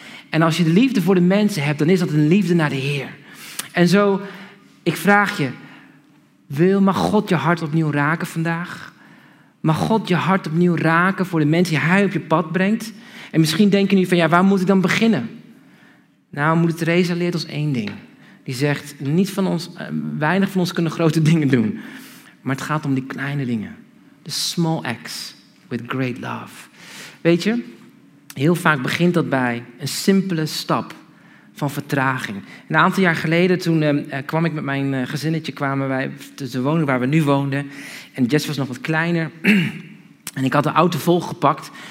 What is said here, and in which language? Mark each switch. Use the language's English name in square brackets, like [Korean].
[Dutch] En als je de liefde voor de mensen hebt, dan is dat een liefde naar de Heer. En zo, ik vraag je, mag God je hart opnieuw raken vandaag? Mag God je hart opnieuw raken voor de mensen die hij op je pad brengt? En misschien denk je nu van, ja, waar moet ik dan beginnen? Nou, moeder Teresa leert ons één ding. Die zegt, weinig van ons kunnen grote dingen doen. Maar het gaat om die kleine dingen. [English] The small acts with great love. [Dutch] Weet je, heel vaak begint dat bij een simpele stap van vertraging. Een aantal jaar geleden, toen kwam ik met mijn gezinnetje, kwamen wij tussen de woning waar we nu woonden. En Jess was nog wat kleiner. En ik had de auto volgepakt.